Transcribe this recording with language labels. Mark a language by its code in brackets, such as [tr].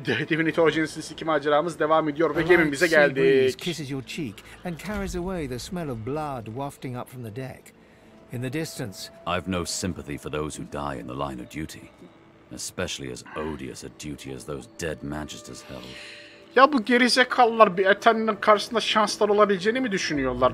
[tr] Divinity Origins 2 maceramız devam ediyor ve gemimize geldik. [en] The breeze kisses your cheek and carries away the smell of blood wafting up from the deck. In the distance, I've no sympathy for those who die in the line of duty, especially as odious a duty as those dead magisters held. [tr] Ya bu gerizekalılar bir Eternal'ın karşısında şanslar olabileceğini mi düşünüyorlar?